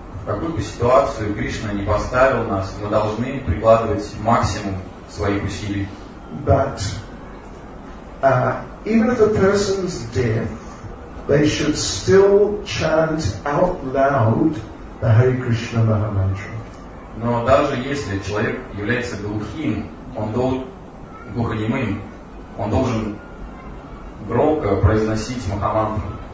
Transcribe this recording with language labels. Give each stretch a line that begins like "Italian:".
Russian: В какую бы ситуацию Кришна не поставил нас, мы должны прикладывать максимум своих усилий.
English: But even if a person's deaf, they should still chant out loud the Hare Krishna Maha Mantra.
Russian: Но даже если человек является глухим, глухонемым, он должен громко произносить Махамантру.